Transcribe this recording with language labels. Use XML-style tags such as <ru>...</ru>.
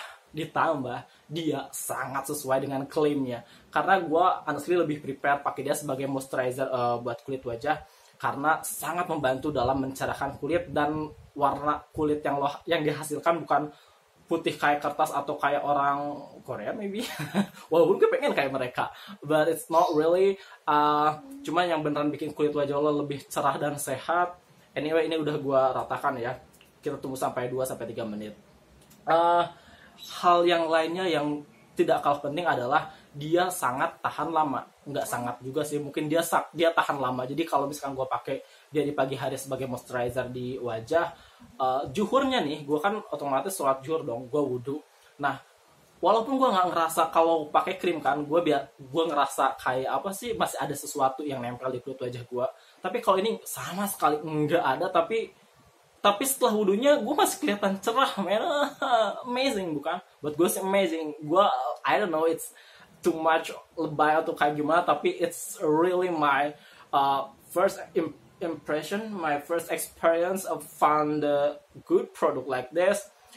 <id>Ditambah dia sangat sesuai dengan klaimnya, karena gue</id> <en>honestly</en> <id>lebih prepare pakai dia sebagai moisturizer buat kulit wajah karena sangat membantu dalam mencerahkan kulit, dan warna kulit yang dihasilkan bukan putih kayak kertas atau kayak orang Korea maybe. Walaupun gue pengen kayak mereka,</id> <en>but it's not really.</en> <id>Cuman yang beneran bikin kulit wajah lo lebih cerah dan sehat. Anyway, ini udah gue ratakan ya. Kita tunggu sampai 2-3 menit. Hal yang lainnya yang tidak kalah penting adalah dia sangat tahan lama. Nggak sangat juga sih, mungkin dia tahan lama. Jadi kalau misalkan gue pakai dia di pagi hari sebagai moisturizer di wajah, juhurnya nih, gue kan otomatis sholat juhur dong, gue wudhu. Nah, walaupun gue nggak ngerasa kalau pakai krim kan, gue ngerasa kayak apa sih, masih ada sesuatu yang nempel di kulit wajah gue. Tapi kalau ini sama sekali nggak ada, tapi setelah wudhunya gue masih kelihatan cerah, man. Amazing bukan? Buat gue sih amazing.</id> <en>Gue, I don't know, it's too much,</en> <id>lebay atau kayak gimana, tapi</id> <en>it's really my first impression, my first experience of found a good product like this.</en>